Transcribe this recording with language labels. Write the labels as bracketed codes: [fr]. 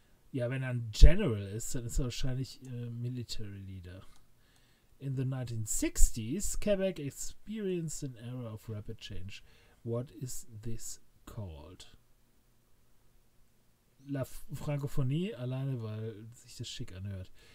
[de] Ja, wenn er ein General ist, dann ist er wahrscheinlich Military Leader. [en] In the 1960s, Quebec experienced an era of rapid change. What is this called? [de] La Francophonie, alleine weil sich das schick anhört.